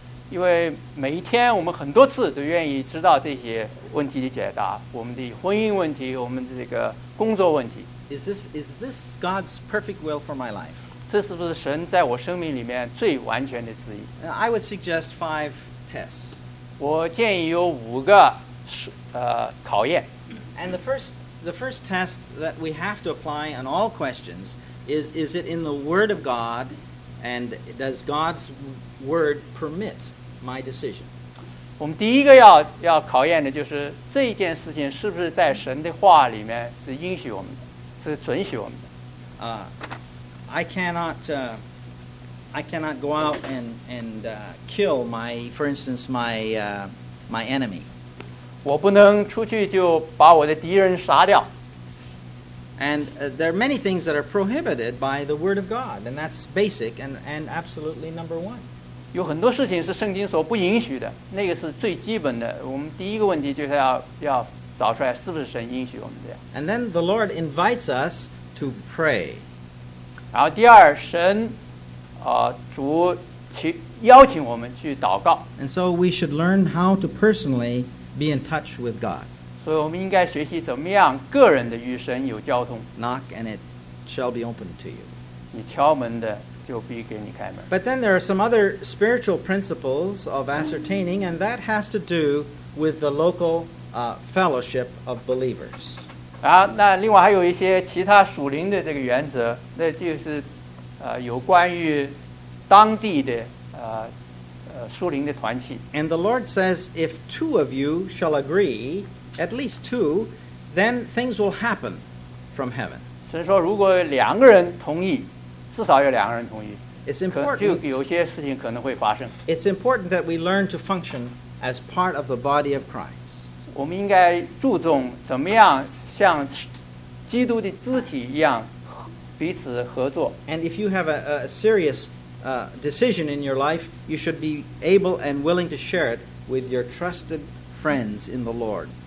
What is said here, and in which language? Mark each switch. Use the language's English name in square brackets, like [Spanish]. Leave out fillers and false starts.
[Chinese] 因为每一天我们很多次都愿意知道这些问题的解答，我们的婚姻问题，我们的这个工作问题。 [English] Is this God's perfect will for my life? [Chinese] 这是不是神在我生命里面最完全的旨意？ [English] I would suggest 5 tests. [Chinese] 我建议有五个考验。 [English] And the first test that we have to apply on all questions is it in the Word of God, and does God's Word permit my decision? [Chinese] 我们第一个要考验的就是这件事情是不是在神的话里面是允许我们的，是准许我们的。 [English] I cannot go out and kill my, for instance, my enemy. [Chinese] 我不能出去就把我的敌人杀掉。 [English] And there are many things that are prohibited by the Word of God, and that's basic and absolutely number one. [Chinese] 有很多事情是圣经所不允许的，那个是最基本的。我们第一个问题就是要找出来是不是神允许我们这样。 [English] And then the Lord invites us to pray. [Chinese] 然后第二，神主邀请我们去祷告。 [English] And so we should learn how to personally be in touch with God. [Chinese] 所以我们应该学习怎么样个人的与神有交通。 [English] Knock and it shall be opened to you. [Chinese] 你敲门的就必给你开门。 [English] But then there are some other spiritual principles of ascertaining, and that has to do with the local fellowship of believers. [Chinese] 啊，那另外还有一些其他属灵的这个原则，那就是有关于当地的属灵的团契。 [English] And the Lord says, if two of you shall agree, at least two, then things will happen from heaven. [Chinese] 神说，如果两个人同意。至少有两个人同意。 [English] It's important. [Chinese] 就有些事情可能会发生。 [English] It's important that we learn to function as part of the body of Christ. [Chinese] 我们应该注重怎么样像基督的肢体一样彼此合作。 [English] And if you have a serious decision in your life, you should be able and willing to share it with your trusted friends in the Lord.